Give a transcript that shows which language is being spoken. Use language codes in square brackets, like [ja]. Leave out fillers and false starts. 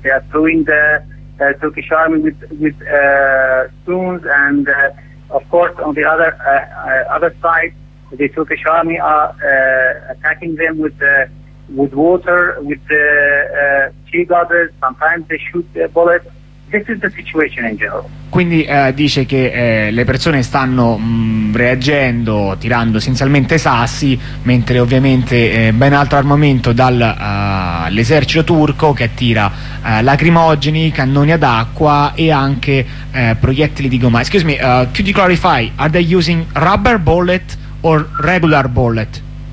[en] They are throwing the Turkish army with stones, and of course on the other side, the Turkish army are attacking them with water, with tear gases. Sometimes they shoot bullets. This is the situation in general. [it] Quindi dice che le persone stanno reagendo tirando essenzialmente sassi, mentre ovviamente ben altro armamento dall'esercito turco, che tira lacrimogeni, cannoni ad acqua e anche proiettili di gomma. [en] Excuse me, could you clarify, are they using rubber bullet or regular bullet?